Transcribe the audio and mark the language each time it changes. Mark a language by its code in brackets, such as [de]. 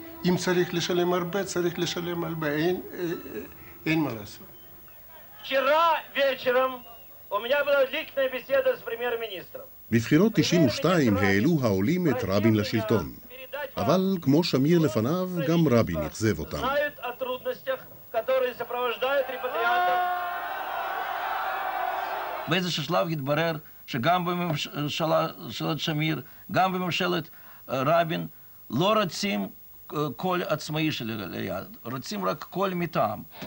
[he] אם צריך לשלם הרבה, צריך לשלם הרבה. אין מה לעשות. [ru] вчера вечером у меня была личная беседа с премьер-министром. [he] בבחירות 92 העלו העולים את רבין לשלטון. אבל כמו שמיר לפניו, גם רבין יחזב אותם. [ru] знают о трудностях, которые сопровождают репатриантов. [he] באיזשהו שלב התברר שגם בממשלת שמיר, גם בממשלת רבין, לא רוצים קול עצמאי של עלייה, רוצים רק קול מטעם.